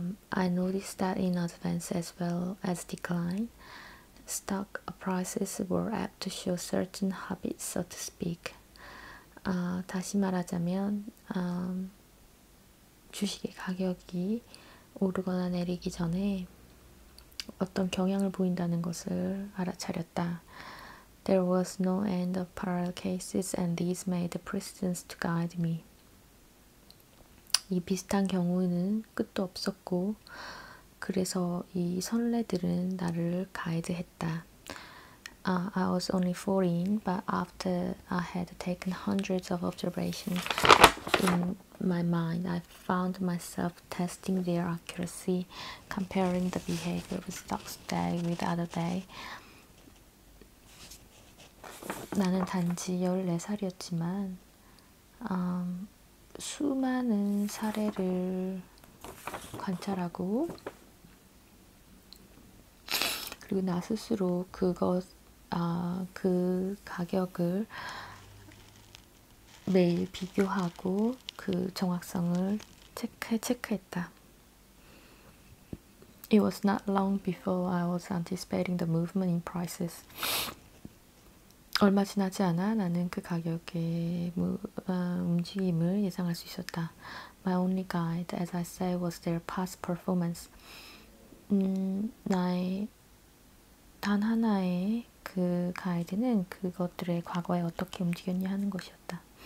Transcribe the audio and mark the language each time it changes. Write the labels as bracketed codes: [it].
[en] I noticed that in advance as well as decline, stock prices were apt to show certain habits, so to speak. [ko] 다시 말하자면 주식의 가격이 오르거나 내리기 전에 어떤 경향을 보인다는 것을 알아차렸다. [en] There was no end of parallel cases and these made precedence to guide me. [ko] 이 비슷한 경우는 끝도 없었고 그래서 이 선례들은 나를 가이드했다. [en] I was only 14, but after I had taken hundreds of observations in my mind, I found myself testing their accuracy, comparing the behavior of stocks day with other day. [ko] 나는 단지 14살이었지만 수많은 사례를 관찰하고 그리고 나 스스로 그것 그 가격을 매일 비교하고 그 정확성을 체크했다. [en] It was not long before I was anticipating the movement in prices. [ko] 얼마 지나지 않아 나는 그 가격의 움직임을 예상할 수 있었다. [en] My only guide, as I say, was their past performance. [ko] 나의 단 하나의 그 가이드는 그것들의 과거에 어떻게 움직였냐 하는 것이었다.